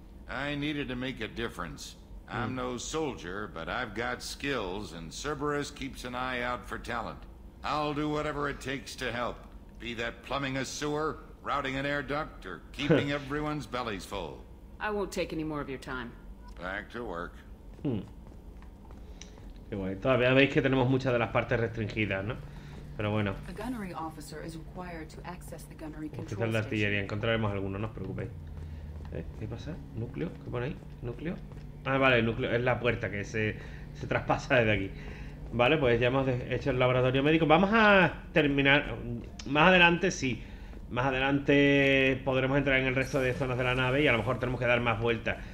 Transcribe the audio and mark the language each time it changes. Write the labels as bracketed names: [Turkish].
[English] I needed to make a difference. I'm no soldier, but I've got skills, and Cerberus keeps an eye out for talent. I'll do whatever it takes to help, be that plumbing a sewer, routing an air duct, or keeping everyone's bellies full. I won't take any more of your time. Back to work. [Spanish] Qué guay. Todavía veis que tenemos muchas de las partes restringidas, ¿no? Pero bueno. [English] A gunnery officer is required to access the gunnery control station. [Spanish] Quizás la artillería encontraremos alguno, no os preocupéis. ¿Qué pasa? ¿Núcleo? ¿Qué pone ahí? ¿Núcleo? Ah, vale, el núcleo es la puerta que se traspasa desde aquí. Vale, pues ya hemos hecho el laboratorio médico. Vamos a terminar. Más adelante, sí. Más adelante podremos entrar en el resto de zonas de la nave y a lo mejor tenemos que dar más vueltas.